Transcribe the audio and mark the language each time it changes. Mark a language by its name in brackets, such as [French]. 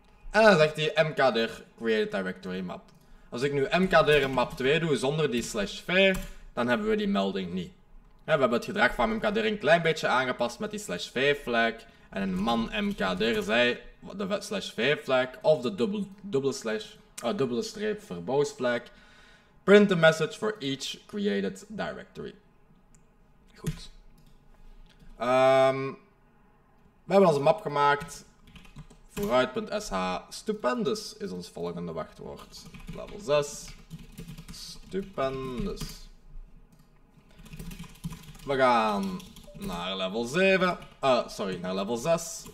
[Dutch] En dan zegt hij mkdir created directory map. Als ik nu mkdir map 2 doe zonder die /v, dan hebben we die melding niet. Ja, we hebben het gedrag van mkdir een klein beetje aangepast met die /v flag. En een man mkdir zei de /v flag of de dubbele streep verbose flag. [English] Print the message for each created directory. [Dutch] Goed. We hebben onze map gemaakt. Vooruit.sh stupendous is ons volgende wachtwoord. Level 6. Stupendous. We gaan naar level 7. Naar level 6.